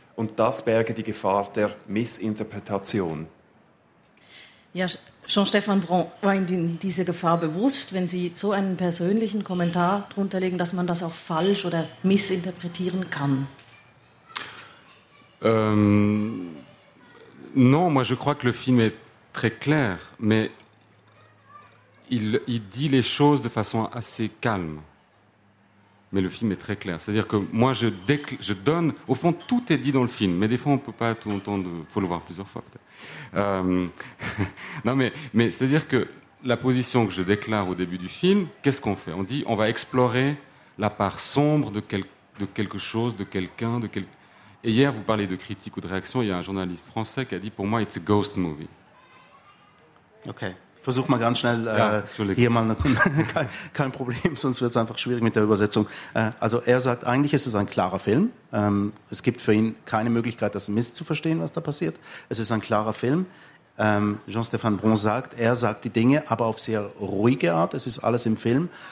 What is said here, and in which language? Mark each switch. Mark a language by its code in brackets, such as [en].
[de] Und das berge die Gefahr der Missinterpretation. Ja, Jean-Stefan Bron war Ihnen diese Gefahr bewusst, wenn Sie so einen persönlichen Kommentar drunter legen, dass man das auch falsch oder missinterpretieren kann? [fr] Non, moi je crois que le film est très clair, mais il dit les choses de façon assez calme. Mais le film est très clair. C'est-à-dire que moi je donne, au fond tout est dit dans le film, mais des fois on ne peut pas tout entendre, il faut le voir plusieurs fois peut-être. Non, mais c'est-à-dire que la position que je déclare au début du film, qu'est-ce qu'on fait? On dit on va explorer la part sombre de quelque chose, de quelqu'un, de quelqu'un. Et hier, vous parliez de critique ou de réaction, il y a un journaliste français qui a dit, pour moi, [en] it's a ghost movie. Ok. [de] Versuch mal ganz schnell, hier mal, kein Problem, sonst wird es einfach schwierig mit der Übersetzung. Also er sagt, eigentlich ist es ein klarer Film. Es gibt für ihn keine Möglichkeit, das misszuverstehen, was da passiert. Es ist ein klarer Film. Jean-Stéphane Bron sagt, er sagt die Dinge, aber auf sehr ruhige Art. Es ist alles im Film.